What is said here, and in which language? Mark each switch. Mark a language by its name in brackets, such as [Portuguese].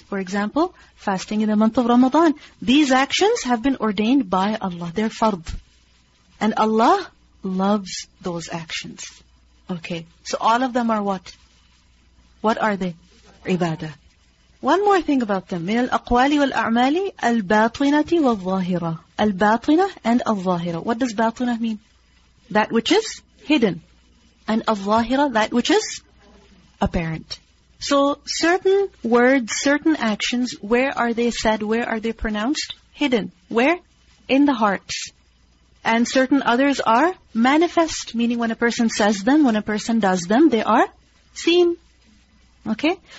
[English] For example, fasting in the month of Ramadan. These actions have been ordained by Allah. They're fard. And Allah loves those actions. Okay. So all of them are what? What are they? Ibadah. One more thing about them. [Arabic] من الأقوال والأعمال الباطنة والظاهرة. الباطنة and الظاهرة. [English] What does باطنة mean? That which is hidden. And الظاهرة, that which is apparent. So certain words, certain actions, where are they said? Where are they pronounced? Hidden. Where? In the hearts. And certain others are manifest, meaning when a person says them, when a person does them, they are seen. Okay?